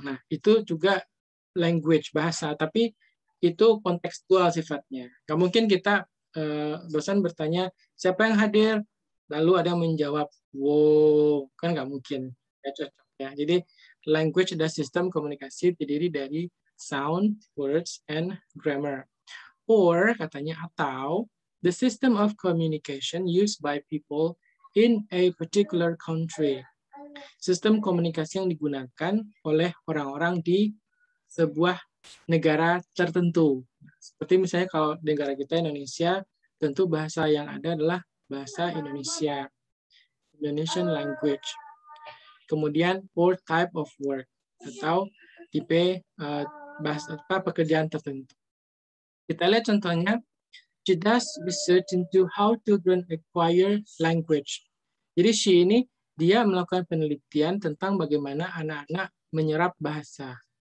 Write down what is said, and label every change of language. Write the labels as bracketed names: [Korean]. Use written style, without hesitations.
[Indonesian] Nah, itu juga language, bahasa, tapi itu kontekstual sifatnya. Gak mungkin kita dosen bertanya siapa yang hadir, lalu ada yang menjawab wow, kan gak mungkin. Gak cocok, ya. Jadi language adalah sistem komunikasi terdiri dari [English] sound, words, and grammar. Or [Indonesian] katanya atau [English] the system of communication used by people in a particular country. [Indonesian] Sistem komunikasi yang digunakan oleh orang-orang di sebuah negara tertentu. Seperti misalnya kalau negara kita Indonesia, tentu bahasa yang ada adalah bahasa Indonesia. [English] Indonesian language. [Indonesian] Kemudian, [English] or type of work. [Indonesian] Atau tipe pekerjaan tertentu. Kita lihat contohnya. [English] She does research into how children acquire language. [Indonesian] Jadi, she ini, dia melakukan penelitian tentang bagaimana anak-anak menyerap bahasa.